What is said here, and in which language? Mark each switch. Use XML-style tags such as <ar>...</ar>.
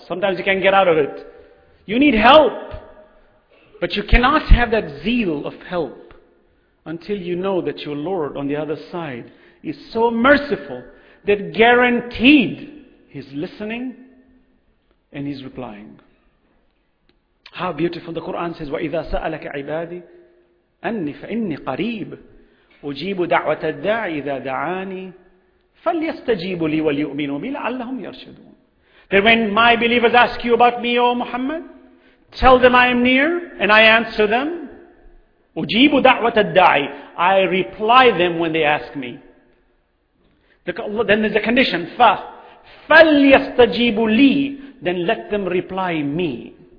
<en>Sometimes you can't get out of it. You need help. But you cannot have that zeal of help until you know that your Lord on the other side is so merciful that guaranteed He's listening and He's replying. How beautiful. The Quran says,</en> <ar>وَإِذَا سَأَلَكَ عِبَادِي أَنِّي فَإِنِّي قَرِيبٌ أُجِيبُ دَعْوَةَ الدَّاعِ إِذَا دَعَانِي فَلْيَسْتَجِيبُوا لِي وَلْيُؤْمِنُوا بِي لَعَلَّهُمْ يَرْشُدُونَ.</ar> <en>That when my believers ask you about me, O Muhammad, tell them I am near and I answer them.</en> <ar>أُجِيبُ دَعْوَةَ الدَّاعِ.</ar> <en>I reply them when they ask me. Then there's a condition.</en> <ar>فَلْيَسْتَجِيبُ لِي.</ar> <en>Then let them reply me.</en>